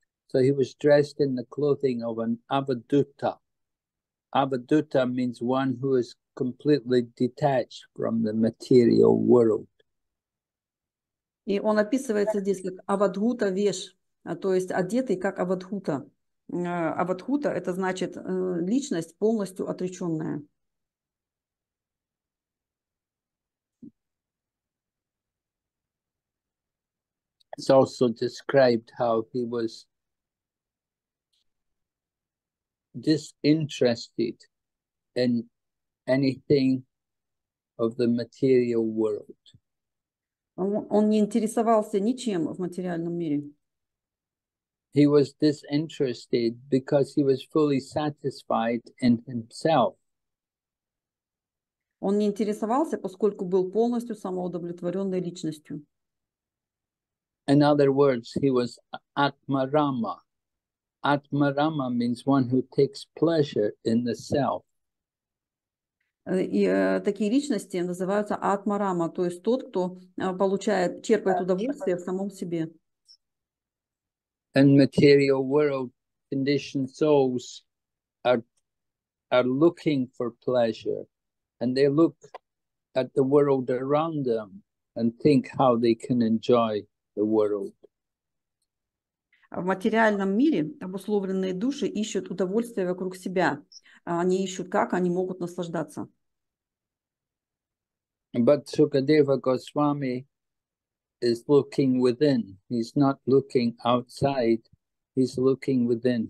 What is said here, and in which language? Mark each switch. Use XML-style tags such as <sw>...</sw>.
<en>So he was dressed in the clothing of an Avaduta. Avaduta means one who is completely detached from the material world.</en> <ru>И он описывается здесь как Авадхута Веш, то есть одетый как Авадхута. Авадхута – это значит личность, полностью отреченная.</ru> <en>It's also described how he was disinterested in anything of the material world.</en> <ru>Он не интересовался ничем в материальном мире.</ru> <en>He was disinterested because he was fully satisfied in himself.</en> <ru>Он не интересовался, поскольку был полностью самоудовлетворенной личностью.</ru> <en>In other words, he was Atmarama. Atmarama means one who takes pleasure in the self.</en> <ru>И такие личности называются атмарама, то есть тот, кто получает, черпает удовольствие в самом себе.</ru> <en>And material world conditioned souls are looking for pleasure, and they look at the world around them and think how they can enjoy the world.</en> <ru>В материальном мире обусловленные души ищут удовольствие вокруг себя. Они ищут, как они могут наслаждаться.</ru> <en>But Sukadeva Goswami is looking within. He's not looking outside. He's looking within.</en>